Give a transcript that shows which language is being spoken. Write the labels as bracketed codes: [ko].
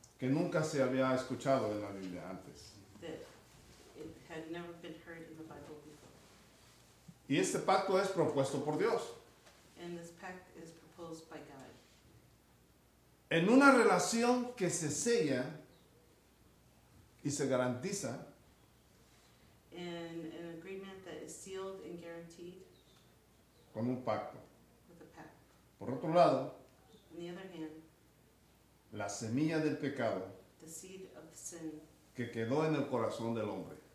[es] Que nunca se había escuchado en la Biblia antes. [en] That it had never been heard in the Bible before. [es] Y este pacto es propuesto por Dios. [en] And this pact is proposed by God. [es] En una relación que se sella y se garantiza. [en] In an agreement that is sealed and guaranteed. [es] Con un pacto. [en] With a pact. [es] Por otro lado. [en] On the other hand. [es] La semilla del pecado, [en] the seed of sin, [es] que quedó en el corazón del hombre,